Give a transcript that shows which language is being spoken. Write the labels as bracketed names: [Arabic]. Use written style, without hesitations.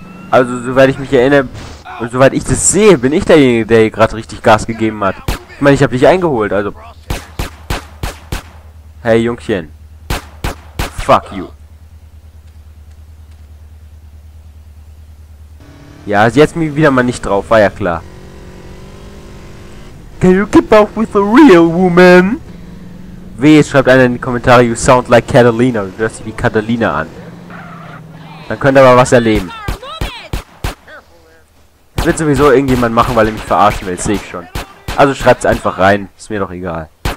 [German] Also soweit ich mich erinnere... Und soweit ich das sehe, bin ich derjenige, der hier gerade richtig Gas gegeben hat. Ich meine, ich habe dich eingeholt, also... Hey, Jungchen. [English] Fuck you. [German] Ja, jetzt mich wieder mal nicht drauf, war ja klar. [English] Can you keep up with a real woman? [German] Weh, jetzt schreibt einer in die Kommentare, [English] you sound like Catalina. [German] Du hörst dich wie Catalina an. Dann könnt ihr aber was erleben. Das wird sowieso irgendjemand machen, weil er mich verarschen will, sehe ich schon. Also schreibt's einfach rein, ist mir doch egal.